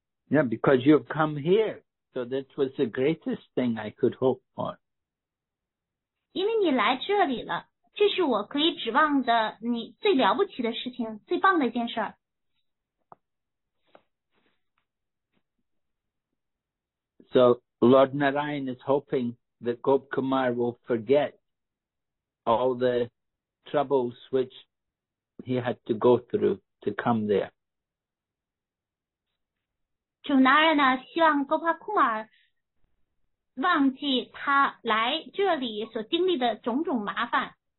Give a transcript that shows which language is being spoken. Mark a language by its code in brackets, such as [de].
[en] Yeah, because you have come here, so this was the greatest thing I could hope for. [zh] 因为你来这里了。这是我可以指望的你最了不起的事情，最棒的一件事。So [en] Lord Narayan is hoping that Gop Kumar will forget all the troubles which he had to go through to come there. [zh] 主拿人呢，希望Gopa Kumar忘记他来这里所经历的种种麻烦。